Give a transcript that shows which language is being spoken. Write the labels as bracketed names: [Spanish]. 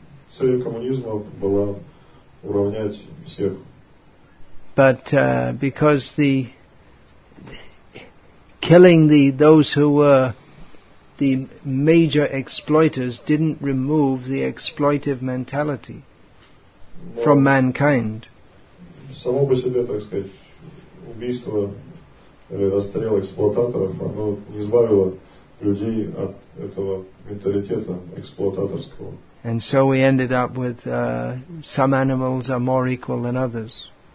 [Russian] Целью коммунизма была уравнять всех. [English] But because the killing those who were the major exploiters didn't remove the exploitive mentality from mankind. [Russian] Само по себе, так сказать, убийство или расстрел эксплуататоров, оно не избавило людей от этого менталитета эксплуататорского. [English] And so we ended up with some animals are more equal than others.